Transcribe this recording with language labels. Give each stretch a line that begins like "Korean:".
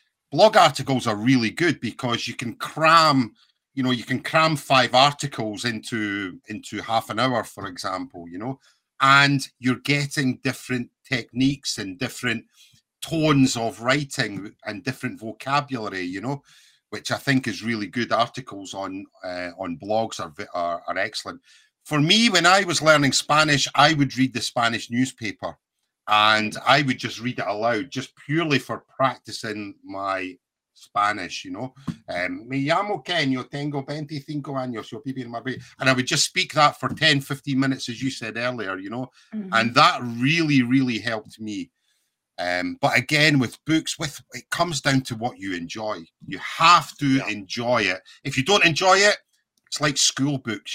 English: blog articles are really good because you can cram, you know, you can cram five articles into half an hour, for example, you know, and you're getting different techniques and different tones of writing and different vocabulary, you know, which I think is really good. Articles on blogs are excellent. For me, when I was learning Spanish, I would read the Spanish newspaper and I would just read it aloud, just purely for practicing my Spanish, you know.
Spanish: Me llamo Ken, yo tengo 25 años, yo vivo en Madrid.
English: And I would just speak that for 10, 15 minutes, as you said earlier, you know. Mm-hmm. And that really, really helped me. But again, with books, it comes down to what you enjoy. You have to enjoy it. If you don't enjoy it, it's like school books.